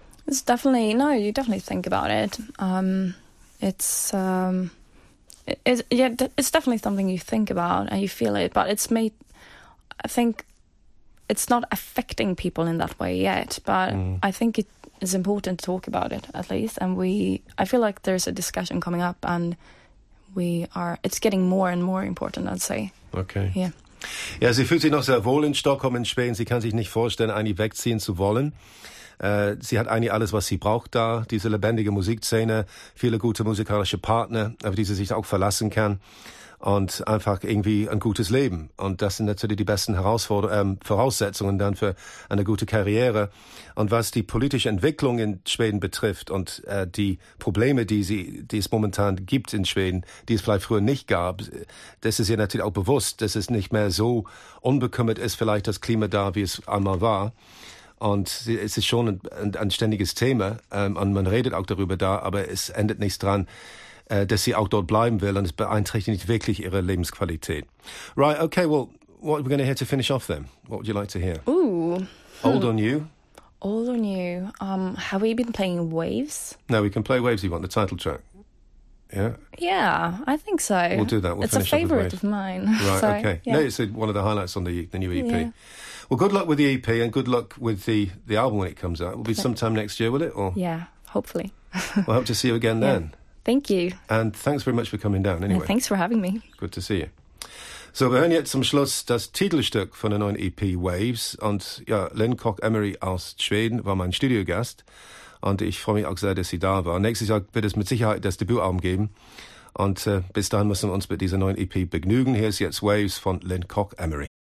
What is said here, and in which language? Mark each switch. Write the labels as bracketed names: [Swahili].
[English] it's definitely, no, you definitely think about it. It's definitely something you think about and you feel it, but it's made, I think it's not affecting people in that way yet, but I think it's important to talk about it at least. And I feel like there's a discussion coming up and it's getting more and more important, I'd say. Okay. Yeah. [German] Ja, sie fühlt sich noch sehr wohl in Stockholm, in Schweden. Sie kann sich nicht vorstellen, eigentlich wegziehen zu wollen. Sie hat eigentlich alles, was sie braucht da, diese lebendige Musikszene, viele gute musikalische Partner, auf die sie sich auch verlassen kann und einfach irgendwie ein gutes Leben. Und das sind natürlich die besten Voraussetzungen dann für eine gute Karriere. Und was die politische Entwicklung in Schweden betrifft und die Probleme, die es momentan gibt in Schweden, die es vielleicht früher nicht gab, das ist ihr natürlich auch bewusst, dass es nicht mehr so unbekümmert ist, vielleicht das Klima da, wie es einmal war. Und es ist schon ein ständiges Thema und man redet auch darüber da, aber es endet nichts dran, dass sie auch dort bleiben will und es beeinträchtigt nicht wirklich ihre Lebensqualität. [English] Right, okay, well, what are we going to hear to finish off then? What would you like to hear? Ooh. Old or New? Old or New. Have we been playing Waves? No, we can play Waves if you want, the title track. Yeah, I think so. We'll do that. It's a favourite of mine. Right, so, okay. Yeah. No, it's one of the highlights on the new EP. Yeah. Well, good luck with the EP and good luck with the album when it comes out. It will be sometime next year, will it? Or? Yeah, hopefully. Well, hope to see you again then. Thank you. And thanks very much for coming down anyway. Yeah, thanks for having me. Good to see you. [German] So wir hören jetzt zum Schluss das Titelstück von der neuen EP Waves. Und ja, Lynn Koch-Emery aus Schweden war mein Studiogast. Und ich freue mich auch sehr, dass sie da war. Nächstes Jahr wird es mit Sicherheit das Debütalbum geben. Und bis dahin müssen wir uns mit dieser neuen EP begnügen. Hier ist jetzt Waves von Lynn Koch-Emery.